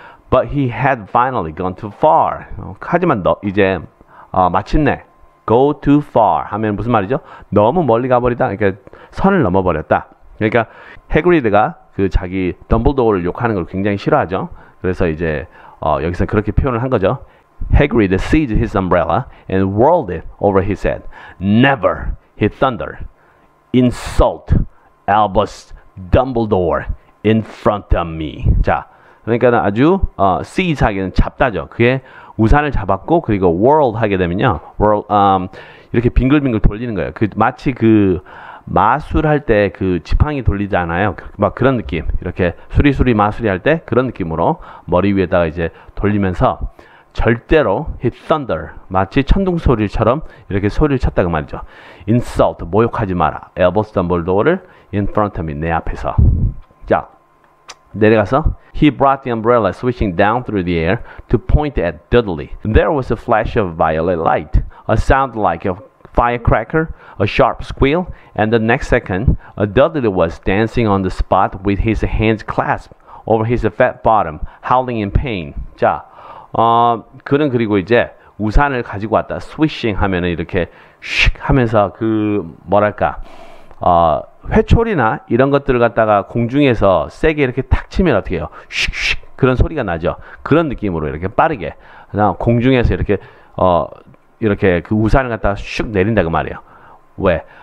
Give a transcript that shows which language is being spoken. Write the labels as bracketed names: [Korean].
[English] But he had finally gone too far. [Korean] 하지만 너 이제 마침내 go too far 하면 무슨 말이죠? 너무 멀리 가버리다. 그러니까 선을 넘어버렸다. 그러니까 해그리드가 그 자기 덤블도어를 욕하는 걸 굉장히 싫어하죠. 그래서 이제 여기서 그렇게 표현을 한 거죠. [English] Hagrid seized his umbrella and whirled it over his head. Never, he thundered, insult Albus Dumbledore in front of me. [Korean] 자, 그러니까는 아주 seize 하기는 잡다죠. 그게 우산을 잡았고, 그리고 whirl 하게 되면요, whirl, 이렇게 빙글빙글 돌리는 거예요. 그 마치 그 마술할 때 그 지팡이 돌리잖아요. 막 그런 느낌, 이렇게 수리수리 마술이 할 때 그런 느낌으로 머리 위에다가 이제 돌리면서 절대로 [English] hit thunder, [Korean] 마치 천둥 소리처럼 이렇게 소리를 쳤다 그 말이죠. insult, 모욕하지 마라. Albus Dumbledore를 [English] in front of me, [Korean] 내 앞에서. 자, 내려가서 [English] He brought the umbrella swishing down through the air to point at Dudley. There was a flash of violet light, a sound like a firecracker, a sharp squeal, and the next second, Dudley was dancing on the spot with his hands clasped over his fat bottom, howling in pain. [Korean] 자, 그는 그리고 이제 우산을 가지고 왔다. Swishing 하면 이렇게 슉 하면서 그 뭐랄까 회초리나 이런 것들을 갖다가 공중에서 세게 이렇게 탁 치면 어떻게 해요? 슉슉 그런 소리가 나죠. 그런 느낌으로 이렇게 빠르게 그냥 공중에서 이렇게 이렇게 그 우산을 갖다가 슉 내린다 그 말이에요. 왜?